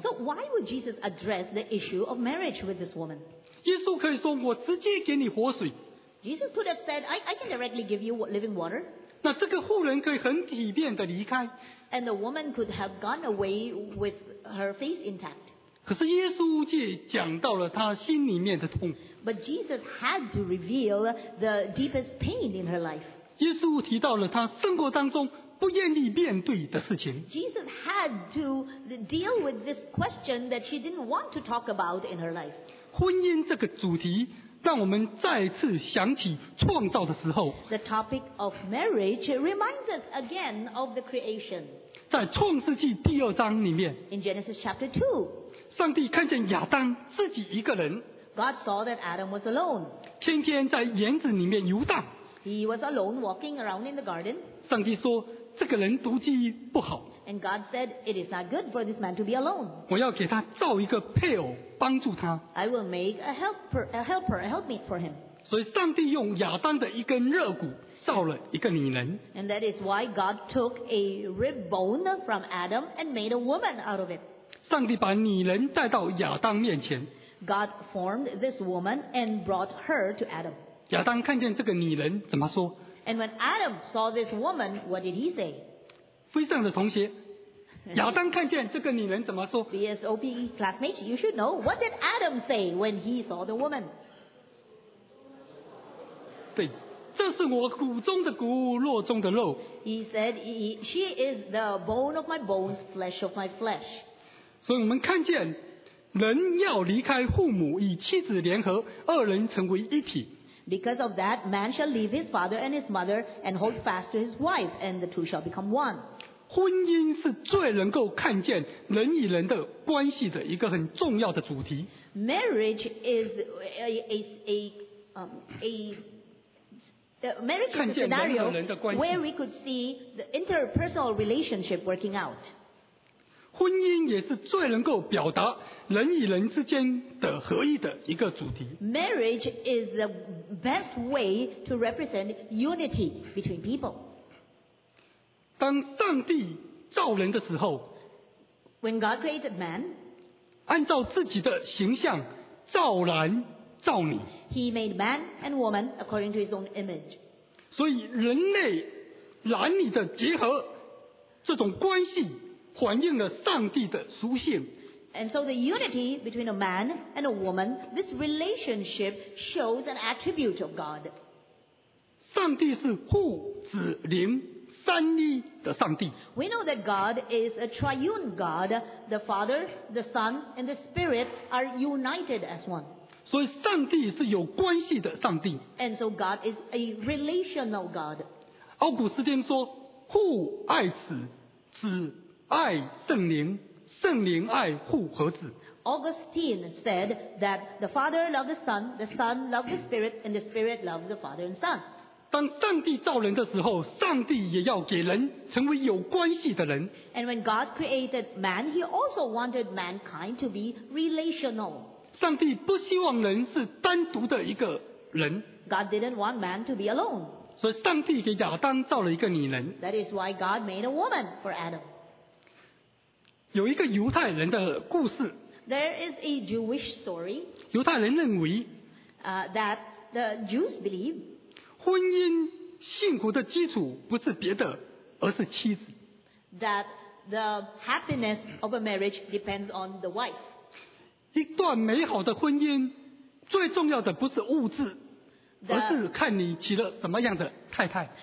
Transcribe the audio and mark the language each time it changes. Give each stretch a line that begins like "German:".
English: So why would Jesus address the issue of marriage with this woman?
Chinese: 耶稣可以说我直接给你活水。
English: Jesus could have said, I can directly give you living water.
Chinese: 那这个妇人可以很体面的离开。
English: And the woman could have gone away with her face intact.
Chinese: 可是耶稣却讲到了她心里面的痛。
English: But Jesus had to reveal the deepest pain in her life.
Chinese: 耶稣提到了他生活当中不愿意面对的事情。
English: Jesus had to deal with this question that she didn't want to talk about in her life.
Chinese: 婚姻这个主题让我们再次想起创造的时候。
English: The topic of marriage reminds us again of the creation.
Chinese: 在创世纪第二章里面。
English: In Genesis chapter 2.
Chinese: 上帝看见亚当自己一个人。
English: God saw that Adam was alone.
Chinese: 天天在园子里面游荡。
English: He was alone walking around in the garden.
Chinese: 上帝说，这个人独居不好。
English: And God said, it is not good for this man to be alone.
Chinese: 我要给他造一个配偶帮助他。
English: I will make a helpmeet for him.
Chinese: 所以上帝用亚当的一根肋骨造了一个女人。
English: And that is why God took a rib bone from Adam and made a woman out of it.
Chinese: 上帝把女人带到亚当面前。
English: God formed this woman and brought her to Adam.
Chinese: 亚当看见这个女人怎么说
English: ？And when Adam saw this woman, what did he say?
Chinese: 非常的同学，亚当看见这个女人怎么说
English: ？BSOB classmates, you should know what did Adam say when he saw the woman?
Chinese: 对，这是我骨中的骨，肉中的肉。
English: He said, she is the bone of my bones, flesh of my flesh.
Chinese: 所以我们看见人要离开父母，与妻子联合，二人成为一体。
English: Because of that, man shall leave his father and his mother and hold fast to his wife, and the two shall become one.
Chinese: 婚姻是最能够看见人与人的关系的一个很重要的主题。
English: Marriage is a scenario where we could see the interpersonal relationship working out.
Chinese: 婚姻也是最能够表达。人与人之间的合一的一个主题。
English: Marriage is the best way to represent unity between people.
Chinese: 当上帝造人的时候
English: ，When God created man,
Chinese: 按照自己的形象造男造女。
English: He made man and woman according to his own image.
Chinese: 所以人类男女的结合这种关系，反映了上帝的属性。
English: And so the unity between a man and a woman, this relationship shows an attribute of God.
Chinese: 上帝是父、子、灵三一的上帝。
English: We know that God is a triune God. The Father, the Son, and the Spirit are united as one.
Chinese: 所以上帝是有关系的上帝。
English: And so God is a relational God.
Chinese: 奥古斯丁说，父爱子，子爱圣灵。圣灵爱父和子。
English: Augustine said that the Father loved the Son, the Son loved the Spirit, and the Spirit loved the Father and Son.
Chinese: 当上帝造人的时候，上帝也要给人成为有关系的人。
English: And when God created man, He also wanted mankind to be relational.
Chinese: 上帝不希望人是单独的一个人。
English: God didn't want man to be alone.
Chinese: 所以上帝给亚当造了一个女人。
English: That is why God made a woman for Adam.
Chinese: 有一个犹太人的故事。
English: There is a Jewish story.
Chinese: 犹太人认为。
English: That the Jews believe.
Chinese: 婚姻幸福的基础不是别的，而是妻子。
English: That the happiness of a marriage depends on the wife.
Chinese: 一段美好的婚姻最重要的不是物质，而是看你娶了什么样的太太。